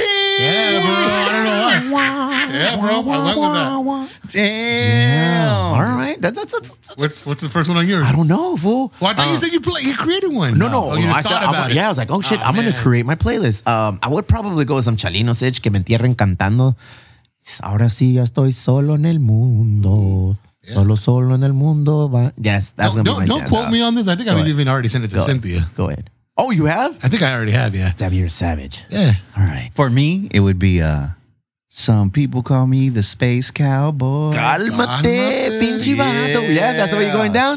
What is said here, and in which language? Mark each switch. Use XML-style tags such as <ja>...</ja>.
<en>Yeah, bro. I don't know why. I went with that. Damn. All right. That's What's the first one on yours? I don't know, fool. Well, I thought you said you created one. No. Oh, you just thought about it. Yeah, I was like, oh, shit. I'm going to create my playlist. I would probably go with some Chalino Sitch, Que Me Entierren Cantando.</en> <es>Ahora sí, ya estoy solo en el mundo.</es> <en>Yeah.</en> <es>Solo en el mundo.</es> <en>Yes, that's going to be my Don't quote me on this. I think I've even already sent it to Cynthia. Go ahead. Oh, you have? I think I already have, yeah. Damn, you're a savage. Yeah. All right. For me, it would be Some People Call Me the Space Cowboy.</en> <es>Calmate, pinche bajato.</es> <en>Yeah, that's the way you're going down?</en>